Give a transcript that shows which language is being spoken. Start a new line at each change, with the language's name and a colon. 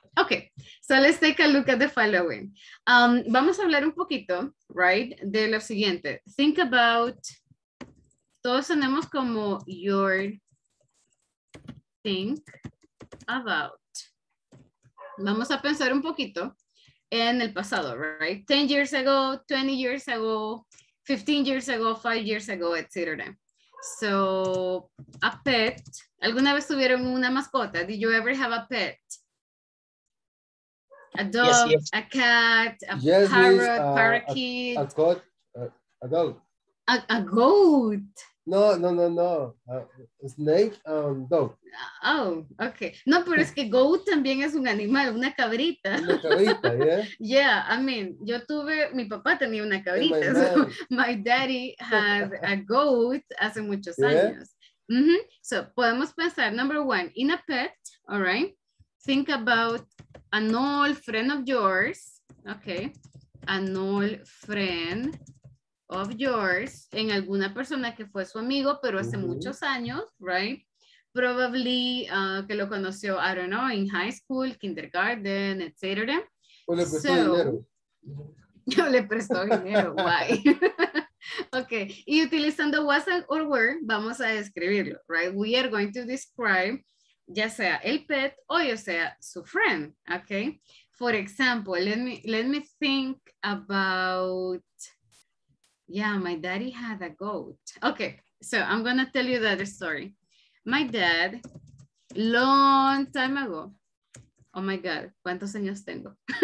English: Okay, so let's take a look at the following.
Spanish: Vamos a hablar un poquito, right, de lo siguiente.
English: Think about,
Spanish: todos tenemos como
English: your think about.
Spanish: Vamos a pensar un poquito en el pasado, right?
English: 10 years ago, 20 years ago, 15 years ago, 5 years ago, etc. So, a pet.
Spanish: ¿Alguna vez tuvieron una mascota?
English: Did you ever have a pet? A dog, yes, yes. A cat, a yes, parrot, parakeet. A goat. A dog. A goat. No. Snake, dog. Oh, okay.
Spanish: No, pero es que goat también es un animal, una cabrita. Una cabrita, yeah.
English: Yeah, I mean,
Spanish: yo tuve, mi papá tenía una cabrita.
English: So my daddy had a goat
Spanish: hace muchos años.
English: Mm-hmm. So,
Spanish: podemos pensar,
English: number one, in a pet, all right? Think about an old friend of yours, okay? An old friend of yours,
Spanish: en alguna persona que fue su amigo, pero hace muchos años, right?
English: Probably
Spanish: que lo conoció,
English: I don't know, in high school, kindergarten, etc.
Spanish: O le prestó dinero. Yo le prestó dinero,
English: why? Okay,
Spanish: y utilizando
English: was or were,
Spanish: vamos a describirlo, right?
English: We are going to describe
Spanish: ya sea el pet o ya sea su friend,
English: okay? For example, let me think about, yeah, my daddy had a goat. Okay, so I'm gonna tell you the other story. My dad, long time ago, oh my God,
Spanish: ¿cuántos años tengo?